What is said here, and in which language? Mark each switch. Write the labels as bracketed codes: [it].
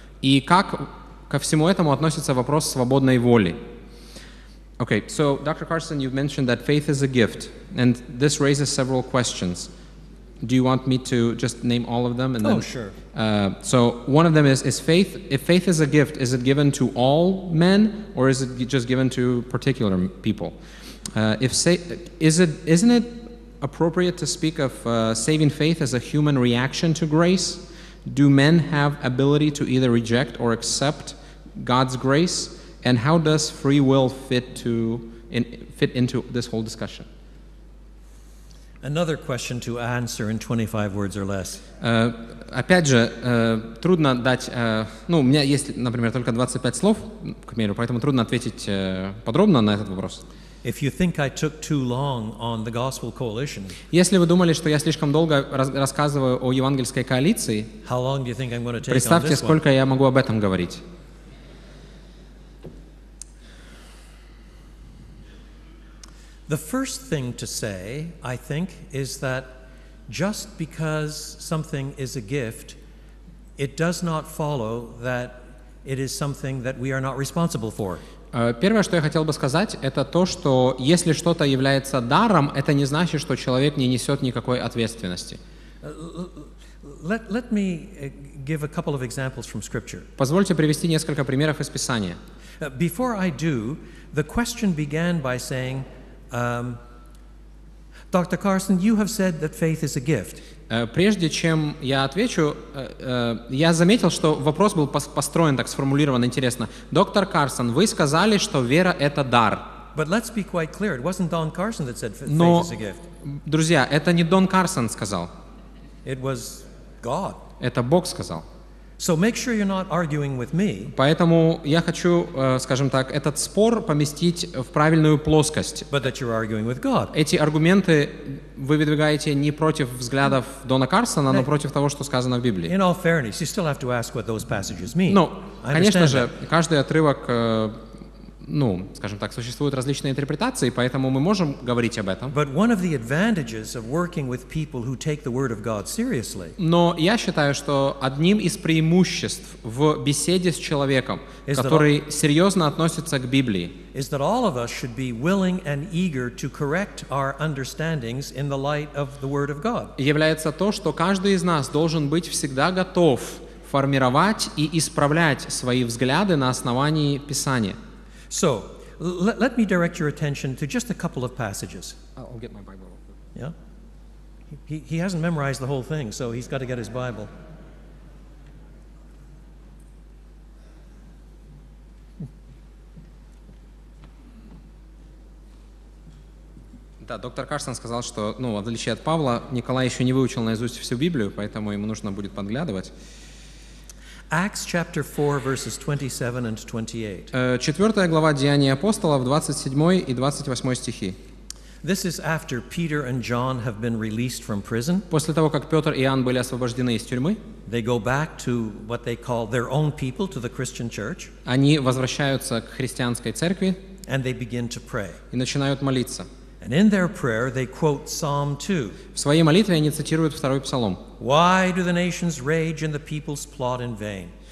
[ru] И как ко всему этому относится вопрос свободной воли? [en] Okay, so, Dr. Carson, you've mentioned that faith is a gift, and this raises several questions. Do you want me to just name all of them? And oh, sure. So, one of them is faith, if faith is a gift, is it given to all men, or is it just given to particular people? Isn't it appropriate to speak of saving faith as a human reaction to grace? Do men have ability to either reject or accept God's grace? And how does free will fit into this whole discussion? Another question to answer in 25 words or less. [ru] Опять же, трудно дать... ну, у меня есть, например, только 25 слов, к примеру, поэтому трудно ответить подробно на этот вопрос. [en] If you think I took too long on the Gospel Coalition, [ru] если вы думали, что я слишком долго рассказываю о евангельской коалиции, [en] how long do you think I'm going to take? [ru] Представьте, [en] on [ru] сколько [en] one? [ru] Я могу об этом говорить. [en] The first thing to say, I think, is that just because something is a gift, it does not follow that it is something that we are not responsible for. [ru] Первое, что я хотел бы сказать, это то, что если что-то является даром, это не значит, что человек не несет никакой ответственности. [en] Let me give a couple of examples from Scripture. [ru] Позвольте привести несколько примеров из Писания. [en] Before I do, the question began by saying, Dr. Carson, you have said that faith is a gift. [ru] Прежде чем я отвечу, я заметил, что вопрос был построен так, сформулирован интересно. Доктор Карсон, вы сказали, что вера — это дар. [en] But let's be quite clear. It wasn't Don Carson that said faith is a gift. [ru] Но, друзья, это не Дон Карсон сказал. [en] It was God. [ru] Это Бог сказал. [en] So make sure you're not arguing with me. [ru] Поэтому я хочу, скажем так, этот спор поместить в правильную плоскость. [en] But that you're arguing with God. [ru] Эти аргументы вы выдвигаете не против взглядов Дона Карсона, но против того, что сказано в Библии. [en] In all fairness, you still have to ask what those passages mean. [ru] Ну, конечно же, каждый отрывок, ну, скажем так, существуют различные интерпретации, поэтому мы можем говорить об этом. [en] But one of the advantages of working with people who take the word of God seriously. [ru] Но я считаю, что одним из преимуществ в беседе с человеком, который серьезно относится к Библии, [en] is that all of us should be willing and eager to correct our understandings in the light of the word of God. [ru] Является то, что каждый из нас должен быть всегда готов формировать и исправлять свои взгляды на основании Писания. [en] So, let me direct your attention to just a couple of passages. I'll get my Bible. Yeah? He hasn't memorized the whole thing, so he's got to get his Bible. [ru] Да, доктор Карсон сказал, что, ну, в отличие от Павла, Николай еще не выучил наизусть всю Библию, поэтому ему нужно будет подглядывать. [en] Acts chapter 4 verses 27 and 28. [ru] Четвёртая глава Деяний апостолов, 27 и 28 стихи. [en] This is after Peter and John have been released from prison. [ru] После того, как Пётр и Иоанн были освобождены из тюрьмы, [en] they go back to what they call their own people, to the Christian church. [ru] Они возвращаются к христианской церкви, [en] and they begin to pray. [ru] И начинают молиться. [en] And in their prayer, they quote Psalm 2. [ru] В своей молитве они цитируют второй псалом. [en] Why do the nations rage and the peoples plot in vain?